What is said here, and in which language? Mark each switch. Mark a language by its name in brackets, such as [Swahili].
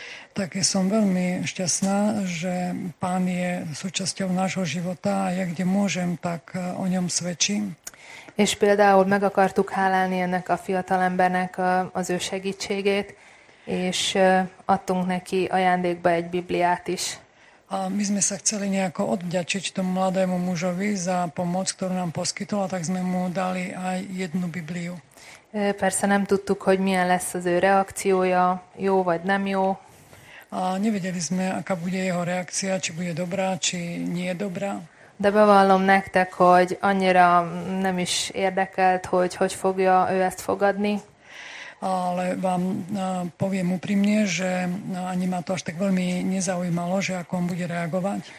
[Slovak] Tak som veľmi šťastná, že Pán je súčasťou nášho života a ja, kde môžem, tak o ňom svedčím. [Hungarian] És például meg akartuk hálálni ennek a fiatalembernek az ő segítségét, és adtunk neki ajándékba egy Bibliát is. [Slovak] A my sme sa chceli nejako odvďačiť tomu mladému mužovi za pomoc, ktorú nám poskytol, tak sme mu dali aj jednu Bibliu. [Hungarian] Persze nem tudtuk, hogy milyen lesz az ő reakciója, jó vagy nem jó. [Slovak] A nevedeli sme, aká bude jeho reakcia, či bude dobrá, či nie je dobrá. [Hungarian] De bevallom nektek, hogy annyira nem is érdekelt, hogy fogja ő ezt fogadni. [Slovak] Ale vám poviem úprimne, že ani ma to až tak veľmi nezaujímalo, že ako on bude reagovať.